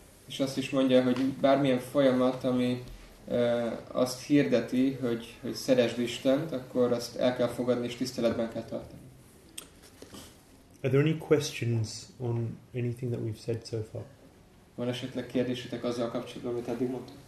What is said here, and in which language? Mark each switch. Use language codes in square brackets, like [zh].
[hu] És azt is mondja, hogy bármilyen folyamat, ami azt hirdeti, hogy szeresd Istent, akkor azt el kell fogadni és tiszteletben kell tartani. [en] Are there any questions on anything that we've said so far? [hu] Van esetleg kérdésetek azzal kapcsolatban, amit eddig mondtam?